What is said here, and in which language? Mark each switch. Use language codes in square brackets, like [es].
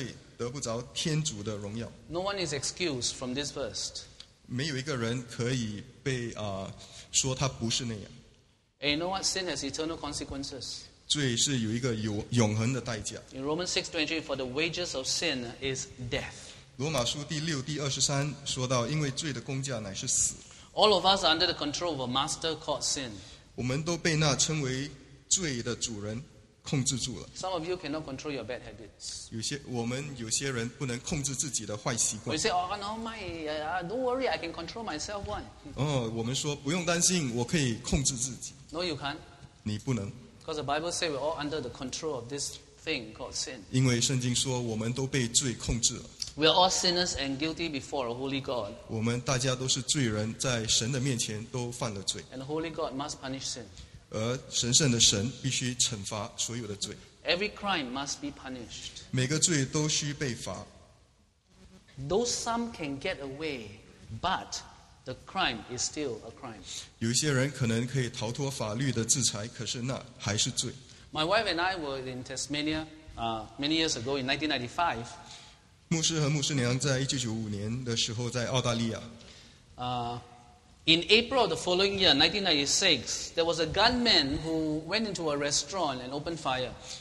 [zh] 因为众人犯了罪，得不着天主的荣耀。 [en] No one is excused from this verse. [zh] 没有一个人可以被说他不是那样。 [en] And you know what? Sin has eternal consequences. [zh] 罪是有一个永恒的代价。 [en] In Romans 6:23, for the wages of sin is death. [zh] 罗马书第六第二十三说到，因为罪的工价乃是死。 [en] All of us are under the control of a master called sin. [zh] 我们都被那称为罪的主人控制住了。 [en] Some of you cannot control your bad habits. [zh] 有些人不能控制自己的坏习惯。 [en] You say, "Oh no, don't worry, I can control myself one." [zh] 我们说不用担心，我可以控制自己。 [en] No, you can't. [zh] 你不能。 [en] Because the Bible says we're all under the control of this thing called sin. [zh] 因为圣经说，我们都被罪控制了。 [en] We are all sinners and guilty before a holy God. [zh] 我们大家都是罪人，在神的面前都犯了罪。 [en] And the holy God must punish sin. [zh] 而神圣的神必须惩罚所有的罪。 [en] Every crime must be punished. [zh] 每个罪都需被罚。 [en] Though some can get away, but the crime is still a crime. [zh] 有些人可能可以逃脱法律的制裁，可是那还是罪。 [en] My wife and I were in Tasmania many years ago in 1995. [zh] 牧师和牧师娘在1995年的时候在澳大利亚。 [en] In April of the following year, 1996, there was a gunman who went into a restaurant and opened fire.